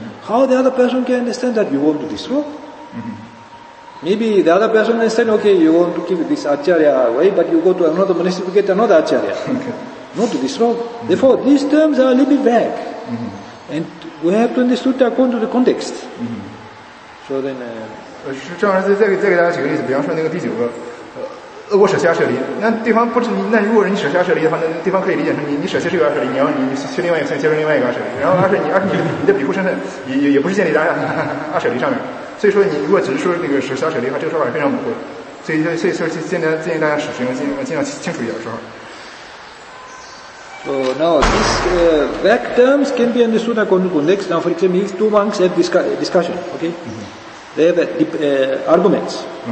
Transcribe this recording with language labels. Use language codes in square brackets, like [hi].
[en] How the other person can understand that you want to destroy? Maybe the other person understand, okay, you want to keep this Acharya away, but you go to another monastery to get another Acharya. Not to destroy. Therefore, these terms are a little bit vague. And we have to understand according to the context. So then, [zh] 正好再给大家举个例子，比方说那个第九个，我舍弃阿舍离，那对方不是你，那如果你舍弃阿舍离的话，那对方可以理解成你舍弃这个阿舍离，你要你去另外一个，接受另外一个阿舍离，然后而且你的庇护身份也不是建立在阿舍离上面，所以说你如果只是说那个舍弃阿舍离的话，这个说法是非常模糊的，所以说建议大家使用尽量清楚一点说法。 [en] So now these vague terms can be understood according to context. Now, for example, if two monks have discussion, okay, they have arguments.